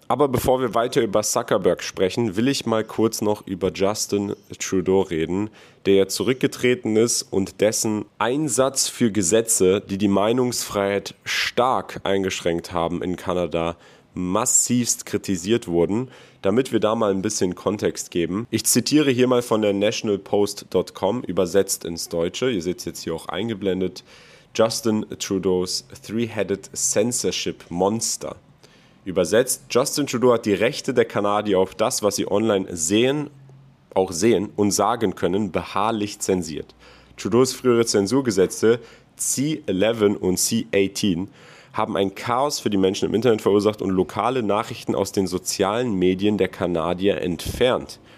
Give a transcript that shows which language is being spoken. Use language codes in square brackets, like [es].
[de] Aber bevor wir weiter über Zuckerberg sprechen, will ich mal kurz noch über Justin Trudeau reden, der zurückgetreten ist und dessen Einsatz für Gesetze, die die Meinungsfreiheit stark eingeschränkt haben in Kanada, massivst kritisiert wurden. Damit wir da mal ein bisschen Kontext geben. Ich zitiere hier mal von der nationalpost.com, übersetzt ins Deutsche. Ihr seht es jetzt hier auch eingeblendet. [en] Justin Trudeau's three-headed censorship monster. [de] Übersetzt, Justin Trudeau hat die Rechte der Kanadier auf das, was sie online sehen, auch sehen und sagen können, beharrlich zensiert. Trudeau's frühere Zensurgesetze C-11 und C-18 haben ein Chaos für die Menschen im Internet verursacht und lokale Nachrichten aus den sozialen Medien der Kanadier entfernt.